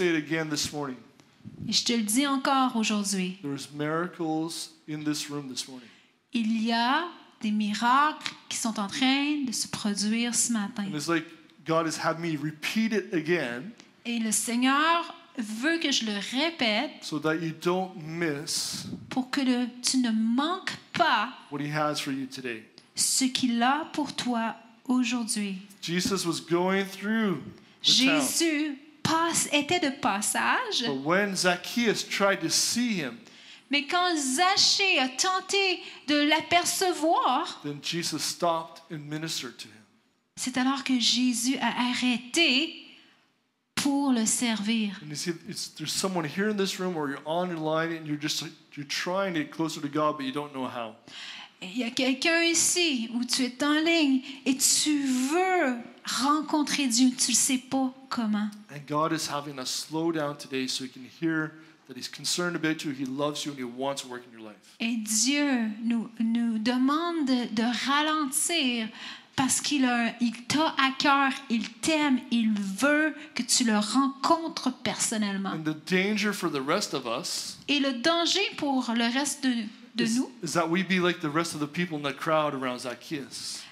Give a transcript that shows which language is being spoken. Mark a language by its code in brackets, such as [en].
[fr] Et je te le dis encore aujourd'hui. [en] There's miracles in this room this morning. [fr] Il y a des miracles qui sont en train de se produire ce matin. [en] And it's like God has had me repeat it again. [fr] Et le Seigneur veut que je le répète [en] so that you don't miss [fr] pour que tu ne manques pas [en] what he has for you today. [fr] Ce qu'il a pour toi aujourd'hui. [en] Jesus was going through the [fr] Jésus [en] town. [fr] Était de passage. [en] But when Zacchaeus tried to see him, [fr] mais quand Zachée a tenté de l'apercevoir, [en] then Jesus stopped and ministered to him. [fr] C'est alors que Jésus a arrêté pour le servir. [en] And you see, there's someone here in this room where you're on your line and you're trying to get closer to God, but you don't know how. [fr] Il y a quelqu'un ici où tu es en ligne et tu veux rencontrer Dieu, tu ne sais pas comment. [en] And God is having us slow down today so you can hear that he's concerned about you, he loves you and he wants to work in your life. [fr] Et Dieu nous demande de ralentir parce qu'il t'a à cœur, il t'aime, il veut que tu le rencontres personnellement. [en] And the danger for the rest of us. [fr] Et le danger pour le reste de nous. [en] Is that we be like the rest of the people in the crowd around Zacchaeus?